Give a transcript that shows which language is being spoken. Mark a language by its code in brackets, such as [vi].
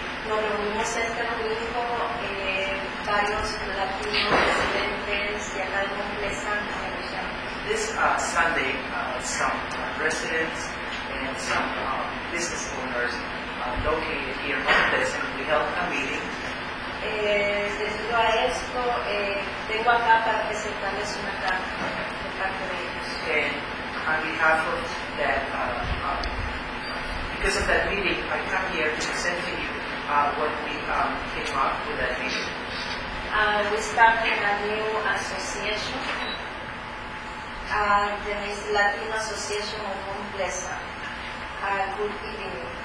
[es] Nos reunimos este domingo varios latinos residentes de acá de Montes Santa. [en] This Sunday, some residents and some business owners located here in Montes, and we held a meeting. [es] Debido a esto, tengo acá para presentarles una carta de parte de ellos. [en] And on behalf of that, because of that meeting, I come here to present to you what we came up with that meeting. We started a new association, the Latino Association of Home Pleasant. Good evening.